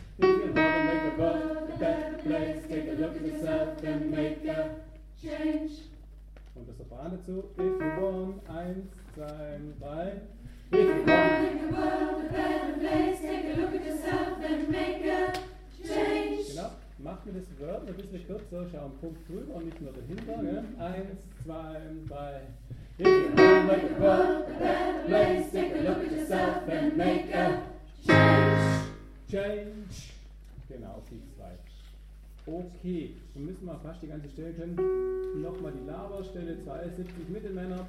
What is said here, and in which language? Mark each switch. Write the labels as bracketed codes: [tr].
[en] If you wanna make the world a better place, take a look at yourself and make a change. [de] Und das Sopran dazu. [en] If you want, [de] 1, 2, 3. [en] If you wanna make the world a better place, take a look at yourself and make a change. [de] Genau. Mach mir das Word ein bisschen kürzer, schau einen Punkt drüber und nicht nur dahinter. Ja? 1, 2, 3. [en] If you wanna make the world a better place, take a look at yourself and make a change. [de] Change. Genau, die zwei. Okay, dann müssen wir fast die ganze Stelle können. Nochmal die Laberstelle, 72 Mittelmänner.